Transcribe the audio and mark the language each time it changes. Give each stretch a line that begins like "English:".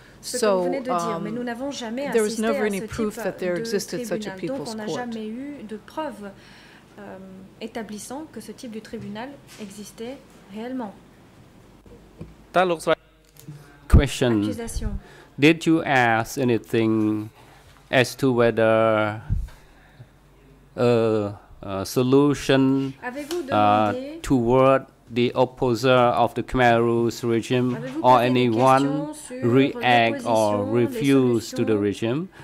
English: So there was never any proof that there existed such a people's court.
French: Donc on n'a jamais eu de preuve établissant que ce type de tribunal existait réellement.
English: Question. Did you ask anything as to whether a solution toward the opposer of the Khmer Rouge regime or anyone react or refuse to the regime?